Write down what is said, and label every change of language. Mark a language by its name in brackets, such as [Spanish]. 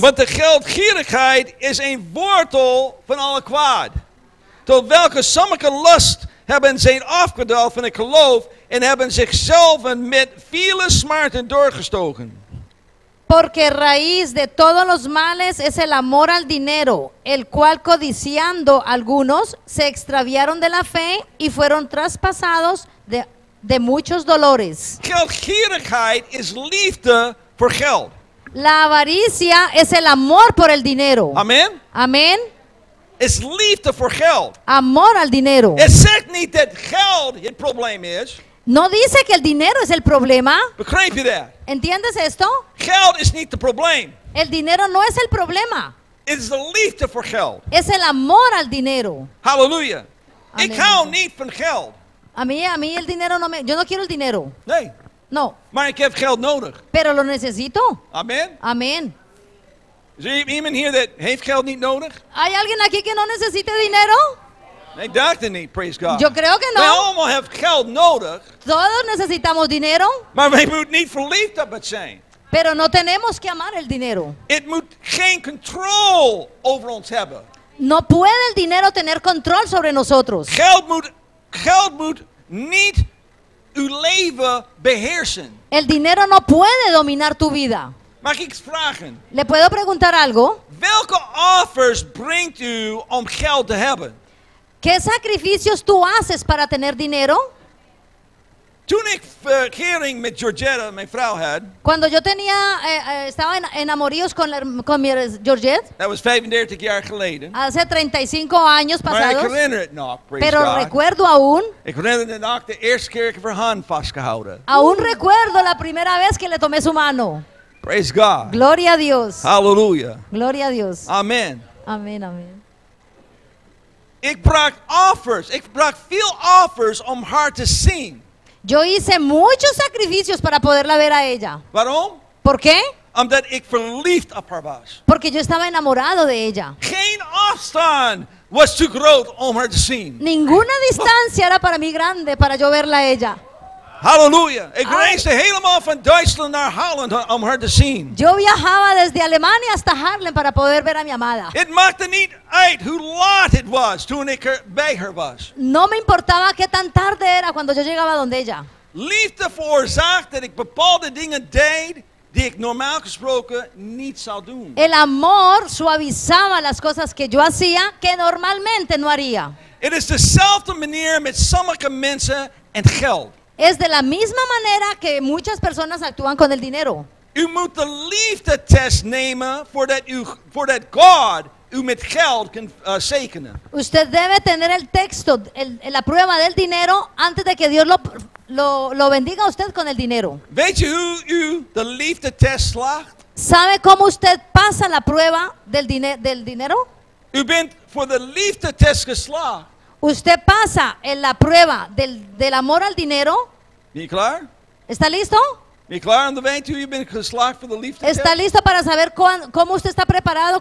[Dutch] Want de geldgierigheid is een wortel van alle kwaad. Tot welke sommige lust hebben zijn afgedaald van het geloof en hebben zichzelf met vele smarten doorgestoken. [Spanish] Porque raíz de todos los males es el amor al dinero, el cual codiciando algunos se extraviaron de la fe y fueron traspasados de muchos dolores. [Dutch] Geldgierigheid is liefde voor geld. [Spanish] La avaricia es el amor por el dinero. Amén. Amén. [Dutch] Is liefde voor geld. [Spanish] Amor al dinero. [Dutch] Het zegt niet dat geld het probleem is. [Spanish] No dice que el dinero es el problema. [Dutch] Begrijp je dat? [Spanish] ¿Entiendes esto? [Dutch] Geld is niet het probleem. [Spanish] El dinero no es el problema. [English] It is the [Dutch] liefde voor geld. [Spanish] Es el amor al dinero. [Dutch] Halleluja. Ik hou niet van geld. [Spanish] A mí el dinero no me... Yo no quiero el dinero. [Dutch] Nee. [Spanish] No. [Dutch] Maar ik heb geld nodig. [Spanish] Pero lo necesito. Amen. Amen. [English] Is there anyone here that [Dutch] heeft geld niet nodig? [Spanish] ¿Hay alguien aquí que no necesite dinero? [English] They don't need, praise God. [Spanish] Yo creo que no. [English] We all have [Dutch] geld nodig. [Spanish] Todos necesitamos dinero. [Dutch] Maar we moeten niet verliefd op het zijn. [Spanish] Pero no tenemos que amar el dinero. [Dutch] It moet geen control over ons hebben. [Spanish] No puede el dinero tener control sobre nosotros. [Dutch] Geld moet niet uw leven beheersen. [Spanish] El dinero no puede dominar tu vida. [Dutch] Mag ik vragen? [Spanish] ¿Le puedo preguntar algo? [Dutch] Welke offers brengt u om geld te hebben? [Spanish] ¿Qué sacrificios tú haces para tener dinero? [Dutch] Toen ik verkering met Georgette, mijn vrouw had. [Spanish] Cuando yo tenía estaba enamoríos con mi Georgette. [English] That was 35 [Dutch] jaar geleden. [Spanish] Hace 35 años pasados. [Dutch] Maar ik herinner het nog, [English] praise God. [Spanish] Pero recuerdo aún. [Dutch] Ik herinner het nog de eerste keer ik haar hand vastgehouden. [Spanish] Aún recuerdo la primera vez que le tomé su mano. [English] Praise God. [Spanish] Gloria a Dios. [English] Hallelujah. [Spanish] Gloria a Dios. Amen. Amen, amen. [Dutch] Ik bracht offers. Ik bracht veel offers om haar te zien. [Spanish] Yo hice muchos sacrificios para poderla ver a ella. [Dutch] ¿Waarom? [Spanish] ¿Por qué? [Dutch] Omdat ik verliefd op haar was. [Spanish] Porque yo estaba enamorado de ella. [Dutch] Geen afstand was too groot om haar te zien. [Spanish] Ninguna distancia era para mí grande para yo verla a ella. [English] Hallelujah. [Dutch] Ik reisde helemaal van Duitsland naar Holland om haar te zien. [Spanish] Yo viajaba desde Alemania hasta Harlem para poder ver a mi amada. [Dutch] It maakte niet uit hoe laat het was toen ik bij haar was. [Spanish] No me importaba qué tan tarde era cuando yo llegaba donde ella. [Dutch] Liefde veroorzaakte dat ik bepaalde dingen deed die ik normaal gesproken niet zou doen. [Spanish] El amor suavizaba las cosas que yo hacía que normalmente no haría. [Dutch] It is dezelfde manier met sommige mensen en geld. [Spanish] Es de la misma manera que muchas personas actúan con el dinero. [Dutch] U moet de liefde test nemen voordat God u met geld kan zegenen. [Spanish] Usted debe tener el texto, la prueba del dinero antes de que Dios lo bendiga a usted con el dinero. [Dutch] Weet je hoe u de liefde test slaagt? [Spanish] ¿Sabe cómo usted pasa la prueba del dinero? [Dutch] U bent voor de liefde test geslaagd. [Spanish] Usted pasa en la prueba del amor al dinero. ¿Está listo? ¿Está listo para saber cómo usted está preparado?